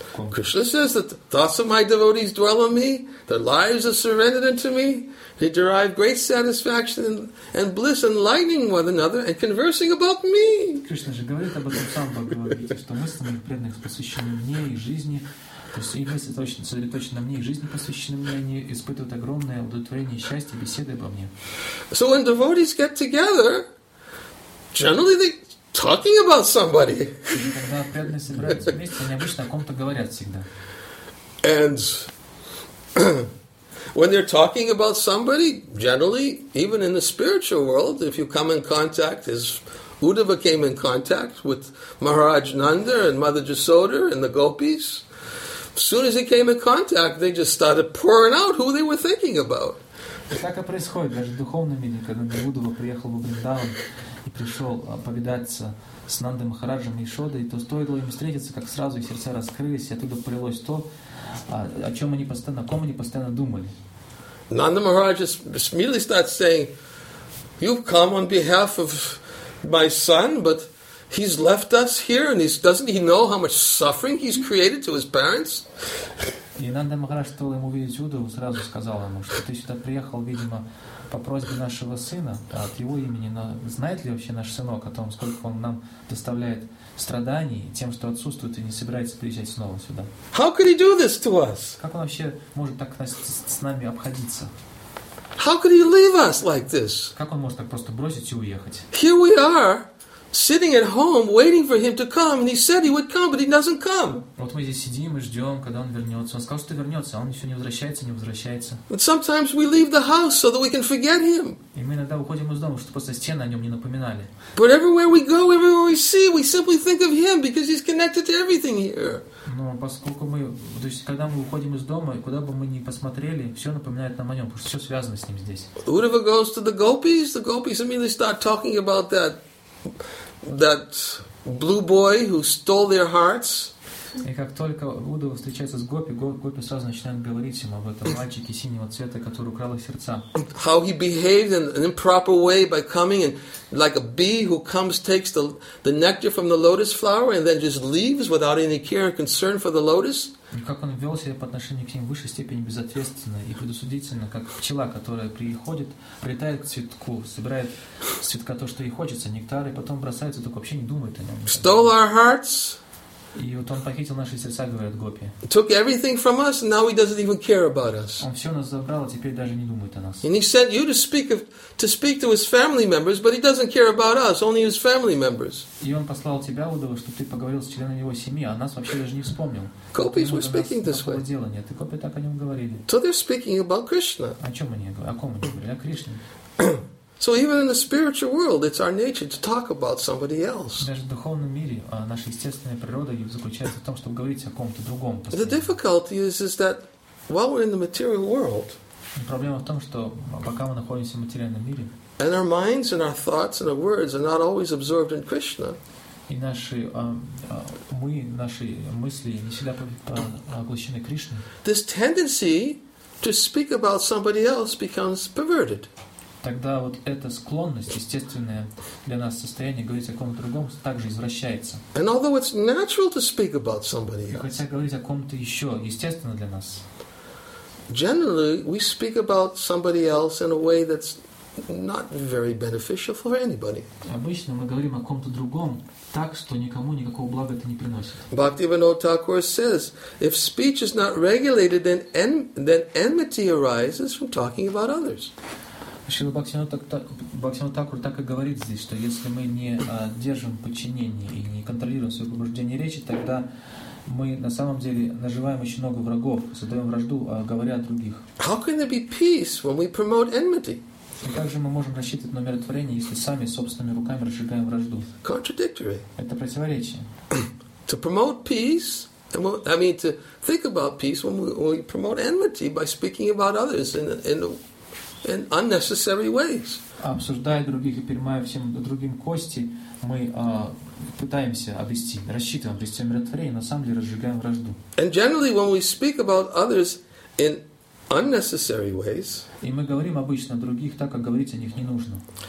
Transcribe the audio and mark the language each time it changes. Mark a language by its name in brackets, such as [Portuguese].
[English] Krishna says that the thoughts of my devotees dwell on me, their lives are surrendered unto me, they derive great satisfaction and bliss enlightening one another and conversing about me. [Russian] Кришна же говорит об этом сам, говорит, что мысли моих преданных посвящены мне и жизни, то есть их мысли точно сосредоточены на мне и жизни посвящены мне, они испытывают огромное удовлетворение и счастье, беседы обо мне. [English] So when devotees get together, generally they talking about somebody. [Russian] Когда преданные собираются вместе, они обычно о ком-то говорят всегда. [English] And when they're talking about somebody, generally, even in the spiritual world, if you come in contact, as Uddhava came in contact with Maharaj Nanda and Mother Jasoda and the gopis, as soon as he came in contact, they just started pouring out who they were thinking about. [Russian] Так и происходит даже в духовном мире, когда Уддхава приехал в Вриндаван и пришел повидаться с Нандой Махараджем и Ишодой, то стоило им встретиться, как сразу их сердца раскрылись, и оттуда полилось то, о чем они постоянно, о ком они постоянно думали. [English] Nanda Maharaj immediately starts saying, "You've come on behalf of my son, but he's left us here, and doesn't he know how much suffering he's created to his parents?" [Russian] И Нанда Махарадж, стоило ему увидеть Уддхаву, сразу сказал ему, что ты сюда приехал, видимо, по просьбе нашего сына, от его имени, но знает ли вообще наш сынок о том, сколько он нам доставляет страданий тем, что отсутствует и не собирается приезжать снова сюда? [English] How could he do this to us? [Russian] Как он вообще может так с нами обходиться? [English] How could he leave us like this? [Russian] Как он может так просто бросить и уехать? [English] Here we are, sitting at home, waiting for him to come, and he said he would come, but he doesn't come. [Russian] Вот мы здесь сидим и ждем, когда он вернется. Он сказал, что вернется, а он еще не возвращается, не возвращается. [English] But sometimes we leave the house so that we can forget him. [Russian] И мы иногда уходим из дома, чтобы просто стены о нем не напоминали. [English] But everywhere we go, everywhere we see, we simply think of him because he's connected to everything here. [Russian] Но поскольку мы, то есть когда мы уходим из дома, и куда бы мы ни посмотрели, все напоминает нам о нем, потому что все связано с ним здесь. [English] Uddhava goes to the gopis immediately start talking about that. That blue boy who stole their hearts. [Russian] И как только Уддхава встречается с гопи, гопи сразу начинают говорить ему об этом мальчике синего цвета, который украл их сердца. [English] How he behaved in an improper way by coming and like a bee who comes, takes the nectar from the lotus flower and then just leaves without any care and concern for the lotus. [Russian] Как он вел себя по отношению к ним в высшей степени безответственно и предусудительно, как пчела, которая приходит, прилетает к цветку, собирает с цветка то, что ей хочется, нектар, и потом бросается, только вообще не думает о нем. [English] Stole our hearts. [Russian] И вот он похитил наши сердца, говорят гопи. [English] Took everything from us, and now he doesn't even care about us. [Russian] Он все нас забрал, а теперь даже не думает о нас. [English] And he sent you to speak to his family members, but he doesn't care about us, only his family members. [Russian] И он послал тебя, Уддхава, чтобы ты поговорил с членами его семьи, а нас вообще даже не вспомнил. [English] Gopis were speaking this way. [Russian] Дела нет, и гопи так о нем говорили. [English] So they're speaking about Krishna. [Russian] О чем они говорили? О ком они говорили? О Кришне. [English] So even in the spiritual world, it's our nature to talk about somebody else. [Russian] Даже в духовном мире наша естественная природа заключается в том, чтобы говорить о ком-то другом. [English] The difficulty is that while we're in the material world, [Russian] проблема в том, что пока мы находимся в материальном мире, [English] and our minds and our thoughts and our words are not always absorbed in Krishna. [Russian] И наши наши мысли не всегда поглощены Кришной. [English] This tendency to speak about somebody else becomes perverted. [Russian] Тогда вот эта склонность, естественное для нас состояние говорить о ком-то другом, также извращается. [English] And although it's natural to speak about somebody else. [Russian] И хотя говорить о ком-то еще естественно для нас. [English] Generally, we speak about somebody else in a way that's not very beneficial for anybody. [Russian] Обычно мы говорим о ком-то другом так, что никому никакого блага это не приносит. [English] Bhaktivinoda Thakur says, if speech is not regulated, then enmity arises from talking about others. [Russian] Шрила Бхактивинода Такур так и говорит здесь, что если мы не держим подчинение и не контролируем свое побуждение речи, тогда мы на самом деле наживаем очень много врагов, создаем вражду, говоря о других. [English] How can there be peace when we promote enmity? [Russian] И как же мы можем рассчитывать на умиротворение, если сами собственными руками разжигаем вражду? [English] Contradictory. [Russian] Это противоречие. [English] To promote peace, I mean to think about peace when we promote enmity by speaking about others in unnecessary ways. [Russian] Обсуждая других и перемывая всем другим кости, мы пытаемся обрести, рассчитываем обрести умиротворение, но на самом деле разжигаем вражду. [English] And generally, when we speak about others in unnecessary ways, [Russian] и мы говорим обычно о других так, как говорить о них не нужно.